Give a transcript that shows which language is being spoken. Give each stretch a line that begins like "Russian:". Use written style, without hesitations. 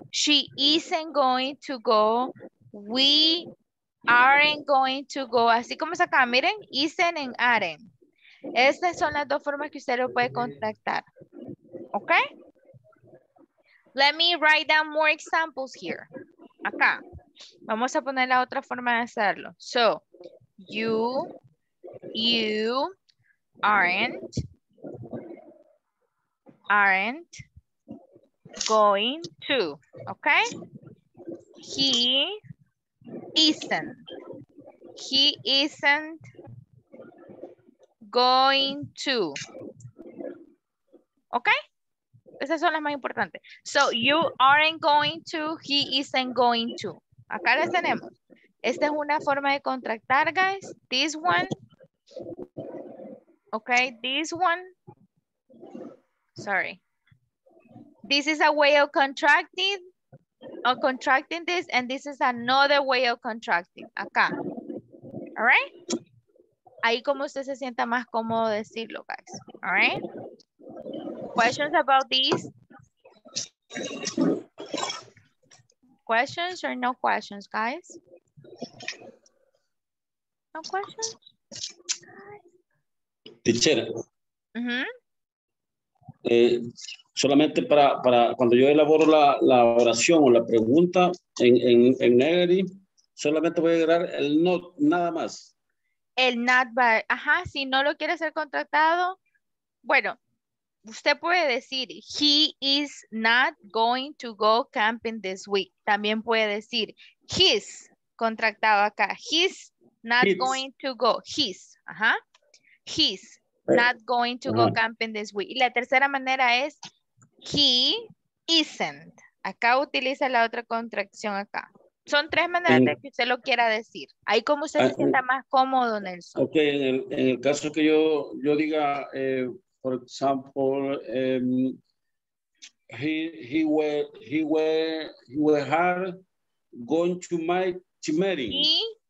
English: She isn't going to go. We aren't going to go.
Spanish: Así como es acá, miren, isn't and aren't. Estas son las dos formas que usted lo puede contactar. Okay?
English: Let me write down more examples here. Acá.
Spanish: Vamos a poner la otra forma de hacerlo.
English: So, you aren't going to, okay? He isn't, he isn't going to. Okay?
Spanish: Esas son las más importantes.
English: So, you aren't going to, he isn't going to.
Spanish: Acá las tenemos. Esta es una forma de contractar, guys.
English: This one. Okay, this one. Sorry. This is a way of contracting. Or contracting this, and this is another way of contracting. Acá. All right?
Spanish: Ahí como usted se sienta más cómodo decirlo, guys.
English: All right? Questions about this? Questions or no questions, guys? No questions? Teacher. Mm-hmm.
Spanish: Solamente para cuando yo elaboro la oración o la pregunta en negative, solamente voy a agregar el not, nada más. El not, but, ajá, si no lo quiere ser contratado, bueno, usted puede decir,
English: he is not going to go camping this week.
Spanish: También puede decir, he's contractado acá, he's not he's.
English: Going to go, he's, ajá, he's. Not going to go camping this week.
Spanish: Y la tercera manera es
English: he isn't.
Spanish: Acá utiliza la otra contracción acá. Son tres maneras de que usted lo quiera decir. Ahí como usted se sienta más cómodo, Nelson.
English: Ok,
Spanish: en el caso que yo diga,
English: for example, he were going to my meeting.